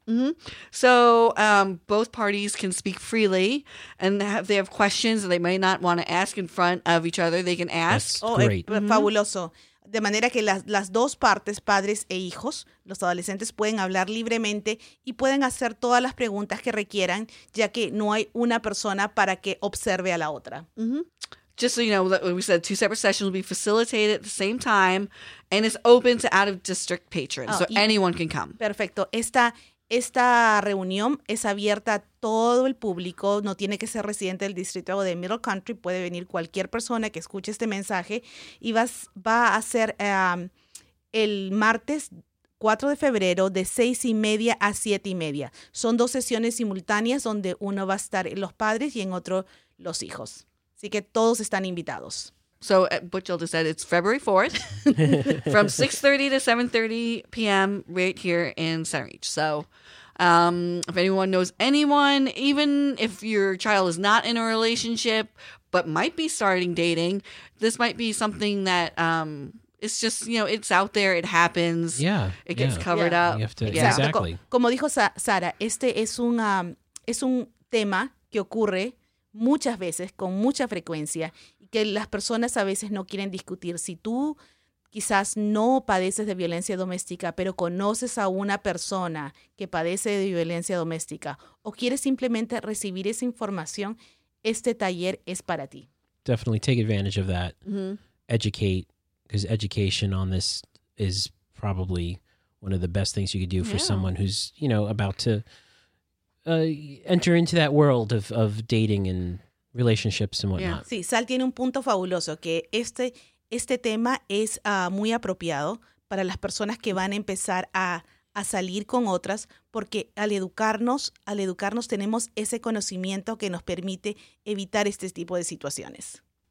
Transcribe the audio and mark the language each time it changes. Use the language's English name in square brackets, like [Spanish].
[English] Mm-hmm. So, both parties can speak freely, and if they have questions that they may not want to ask in front of each other, they can ask. That's great. [Spanish] Fabuloso. De manera que las dos partes, padres e hijos, los adolescentes pueden hablar libremente y pueden hacer todas las preguntas que requieran, ya que no hay una persona para que observe a la otra. Mm-hmm. [English] Just so you know, like we said, two separate sessions will be facilitated at the same time, and it's open to out-of-district patrons, so anyone can come. [Spanish] Perfecto. Esta reunión es abierta a todo el público. No tiene que ser residente del distrito o de Middle Country. Puede venir cualquier persona que escuche este mensaje. Y va a ser el martes 4 de febrero de 6:30 a 7:30. Son dos sesiones simultáneas donde uno va a estar los padres y en otro los hijos. Así que todos están invitados. [English] So, Butchel just said it's February 4th from 6:30 to 7:30 p.m. right here in Center Reach. So, if anyone knows anyone, even if your child is not in a relationship but might be starting dating, this might be something that it's just, you know, it's out there, it happens. Yeah. It gets covered up. Exactly. [Spanish] Como dijo Sara, este es un tema que ocurre muchas veces, con mucha frecuencia, que las personas a veces no quieren discutir. Si tú quizás no padeces de violencia doméstica, pero conoces a una persona que padece de violencia doméstica o quieres simplemente recibir esa información, este taller es para ti. [English] Definitely take advantage of that. Mm-hmm. Educate, because education on this is probably one of the best things you could do for someone who's, you know, about to enter into that world of dating and relationships and whatnot. [Spanish] Sí, Sal tiene un punto fabuloso, que este tema es muy apropiado para las personas que van a empezar a salir con otras, porque al educarnos tenemos ese conocimiento que nos permite evitar este tipo de situaciones.